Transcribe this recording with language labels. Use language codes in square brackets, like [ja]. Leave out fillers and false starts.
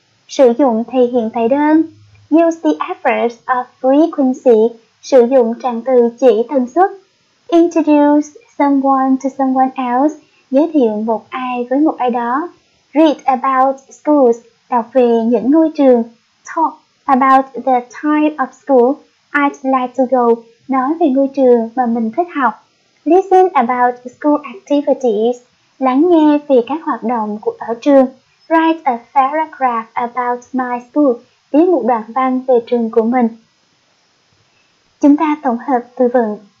[vi] Sử dụng thì hiện tại đơn. [en] Use the adverb of frequency. [vi] Sử dụng trạng từ chỉ tần suất. [en] Introduce someone to someone else. [vi] Giới thiệu một ai với một ai đó. [en] Read about schools. [vi] Đọc về những ngôi trường. [en] Talk about the type of school I'd like to go. [vi] Nói về ngôi trường mà mình thích học. [en] Listen about school activities. [vi] lắng nghe về các hoạt động của ở trường. [en] Write a paragraph about my school. [vi] Viết một đoạn văn về trường của mình. Chúng ta tổng hợp từ vựng.